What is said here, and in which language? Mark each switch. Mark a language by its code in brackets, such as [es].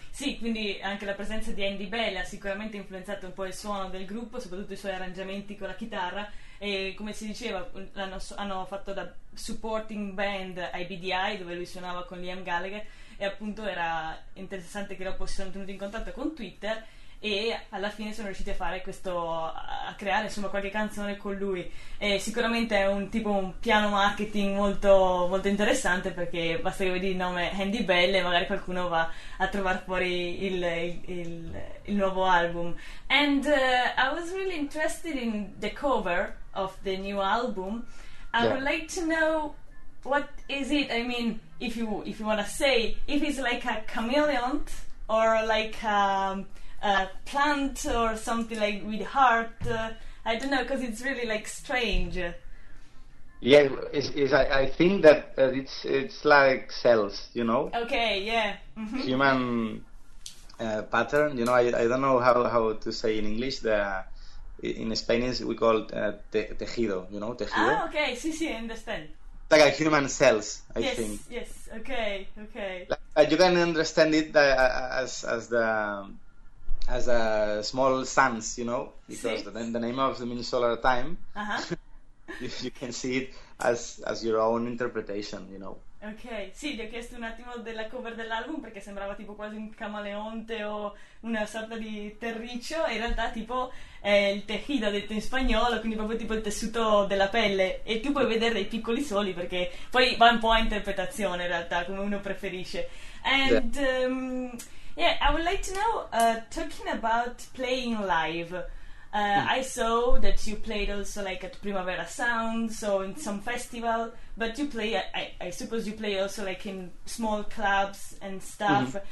[it] Sì, quindi anche la presenza di Andy Bell ha sicuramente influenzato un po' il suono del gruppo, soprattutto i suoi arrangiamenti con la chitarra, e come si diceva, hanno fatto da supporting band ai BDI, dove lui suonava con Liam Gallagher, e appunto era interessante che dopo si sono tenuti in contatto con Twitter e alla fine sono riusciti a fare questo, a creare insomma qualche canzone con lui. E sicuramente è un tipo un piano marketing molto molto interessante, perché basta che vedi il nome Andy Bell e magari qualcuno va a trovare fuori il nuovo album. [en] And I was really interested in the cover of the new album. I would like to know what is it. I mean, if you want to say if it's like a chameleon or like a plant or something like with heart, I don't know, because it's really like strange. Yeah, I think that it's like cells, you know. Okay. Yeah. Human pattern, you know. I don't know how to say in English. The in Spanish we call it tejido, you know, tejido. Ah, okay. Sí, I understand. Like a human cells, I yes, think. Yes. Okay. Like, you can understand it as a small suns, you know, because the name of the mean solar time. You can see it as your own interpretation, you know. [it] Okay, sì, gli ho chiesto un attimo della cover dell'album perché sembrava tipo quasi un camaleonte o una sorta di terriccio, e in realtà tipo è il tejido, detto in spagnolo, quindi proprio tipo il tessuto della pelle, e tu puoi vedere dei piccoli soli, perché poi va un po' a interpretazione in realtà, come uno preferisce. [en] And I would like to know, talking about playing live, I saw that you played also like at Primavera Sound, so in some festival, but you play, I suppose you play also like in small clubs and stuff.